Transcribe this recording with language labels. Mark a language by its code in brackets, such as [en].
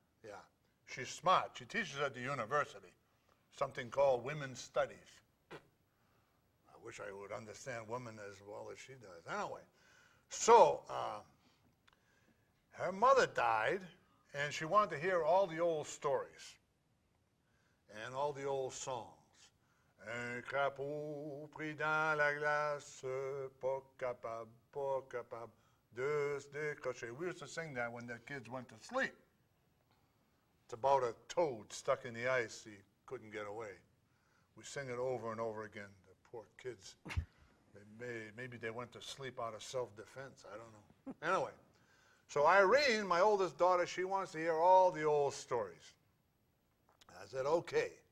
[en] Yeah, she's smart. She teaches at the university, something called women's studies. I wish I would understand women as well as she does. Anyway, so, her mother died, and she wanted to hear all the old stories and all the old songs. [fr] Un crapaud pris dans la glace, pas capable de se décrocher. [en] We used to sing that when the kids went to sleep. It's about a toad stuck in the ice. He couldn't get away. We sing it over and over again. The poor kids, maybe they went to sleep out of self-defense. I don't know. Anyway. So Irene, my oldest daughter, she wants to hear all the old stories. I said, okay.